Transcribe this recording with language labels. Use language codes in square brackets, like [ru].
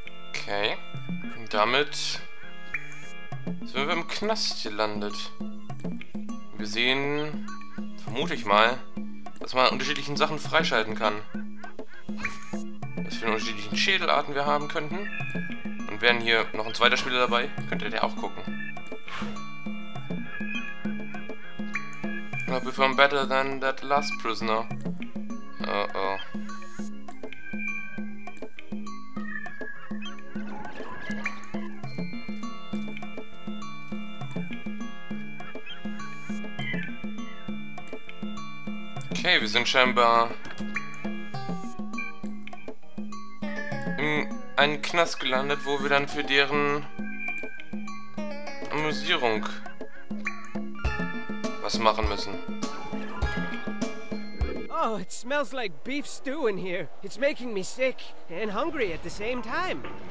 [de] Okay, und damit sind wir im Knast gelandet. Wir sehen, vermute ich mal, dass man unterschiedlichen Sachen freischalten kann. Dass wir unterschiedlichen Schädelarten wir haben könnten. Und wären hier noch ein zweiter Spieler dabei, könnte der auch gucken. [en] I perform better than that last prisoner. Uh-oh. [de] Okay, wir sind scheinbar in einen Knast gelandet, wo wir dann für deren Amüsierung was machen müssen. [en] Oh, it smells like beef stew in here. It's making me sick and hungry at the same time.